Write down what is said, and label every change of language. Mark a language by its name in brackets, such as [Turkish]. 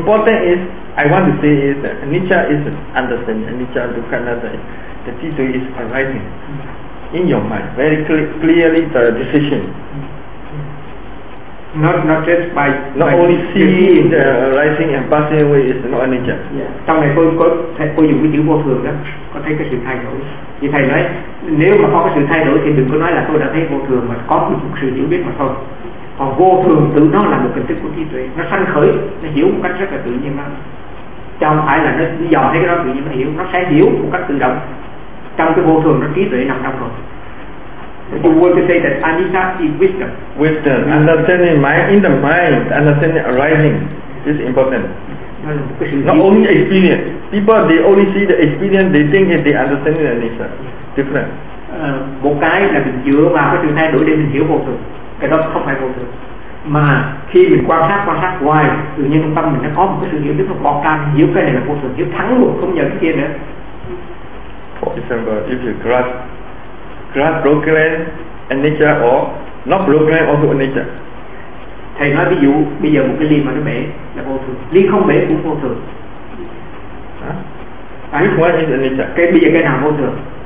[English] Important is I want to say is that anicca is understanding. Anicca dukkha the tito is arising in your mind very clearly the decision. Not just by not by only seeing the rising and passing away is not anicca. [Vietnamese] Trong này cô dùng cái chữ vô thường đó, có thấy cái sự thay đổi. Thì thầy nói nếu mà có cái sự thay đổi thì đừng có nói là tôi đã thấy vô thường, mà có một sự hiểu biết mà thôi. Còn vô thường tự nó là một hình thức của trí tuệ, nó sanh khởi, nó hiểu một cách rất là tự nhiên lắm. Chứ không phải là nó dò thấy cái đó tự nhiên nó hiểu, nó sẽ hiểu một cách tự động. Trong cái vô thường nó trí tuệ nằm trong rồi. [English] You want to say that anicca is wisdom. Wisdom, understanding mind, in the mind, understanding arising is important. Not only experience. People they only see the experience, they think they understand the anicca. Different. [Vietnamese] Một cái là mình dựa vào cái sự thay đổi để mình hiểu vô thường. Cái đó không phải vô thường. Mà khi mình quan sát ngoài, tự nhiên trong tâm mình nó có một cái sự hiểu biết, nó bọt ra, hiểu cái này là vô thường, hiểu thắng luôn, không nhờ cái kia nữa. [English] For example, if you grasp broken and nature or not broken also nature. [Vietnamese] Thầy nói ví dụ bây giờ một cái ly mà nó bể là vô thường, ly không bể cũng vô thường. [English] Which one is anicca? [Vietnamese] Cái bây giờ cái nào vô thường?